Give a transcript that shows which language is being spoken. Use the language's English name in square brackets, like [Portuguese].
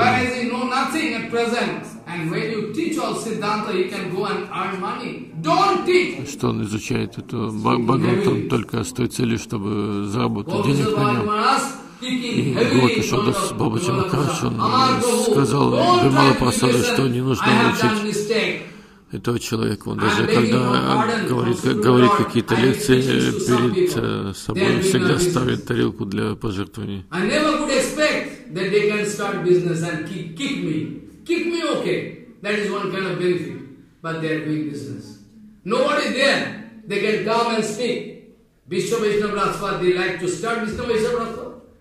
[English] Why does he know nothing at present? And when you teach all Siddhanta, he can go and earn money. Don't teach. [Russian] Что он изучает эту Бхагаватам только с той целью, чтобы заработать денег на нем. И Гоки Шадас Бабаджи Махарадж, он сказал Бимала Прасада, что не нужно учить этого человека. Он даже когда говорит какие-то лекции перед собой, всегда ставит тарелку для пожертвований. [English] I never could expect that they can start business and kick me. Kick me, okay. That is one kind of benefit. But they are doing business. Nobody there. They can come and speak. Vishwa Vaishnava Rathwa, they like to start Vishwa Vaishnava Rathwa.